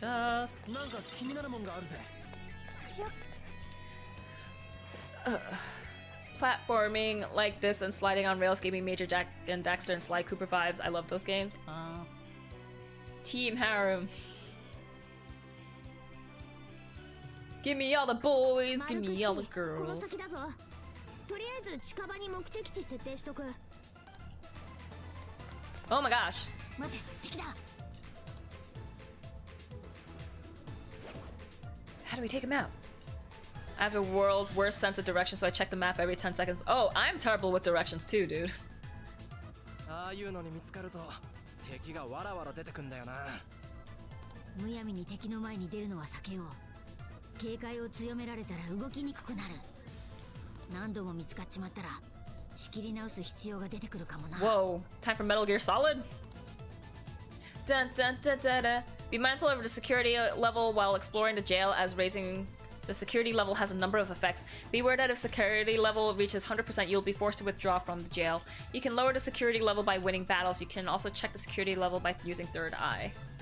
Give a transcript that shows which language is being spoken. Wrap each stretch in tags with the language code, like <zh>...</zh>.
<ja>なんか気になるもんがあるぜ。</ja> <en>Platforming like this and sliding on rails gave me Major Jack and Daxter and Sly Cooper vibes. I love those games. Team Harem. Give me all the boys, give me all the girls.</en> <ja>とりあえず近場に目的地設定しとく。</ja> <en>Oh my gosh!</en> <ja>待て、敵だ。</ja> <en>How do we take him out? I have the world's worst sense of direction, so I check the map every 10 seconds. Oh, I'm terrible with directions too, dude.</en> <ja>ああいうのに見つかると敵がわらわら出てくんだよな。むやみに敵の前に出るのは避けよう。警戒を強められたら動きにくくなる。何度も見つかっちまったら仕切り直す必要が出てくるかもな。</ja> <en>Whoa, time for Metal Gear Solid? Dun, dun, dun, dun, dun. Be mindful of the security level while exploring the jail, as raising the security level has a number of effects. Beware that if security level reaches 100%, you'll be forced to withdraw from the jail. You can lower the security level by winning battles. You can also check the security level by using third eye.</en>